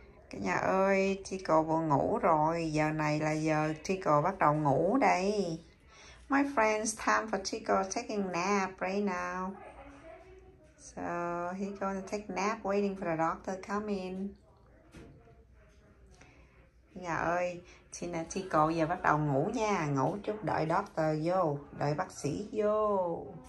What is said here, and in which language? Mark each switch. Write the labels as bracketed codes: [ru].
[vi] Cái nhà ơi, Chico vừa ngủ rồi. Giờ này là giờ Chico bắt đầu ngủ đây. [en] My friends, time for Chico taking nap right now. So, he's going to take nap waiting for the doctor come in. [vi] Nhà ơi, Chico giờ bắt đầu ngủ nha. Ngủ chút, đợi doctor vô. Đợi bác sĩ vô.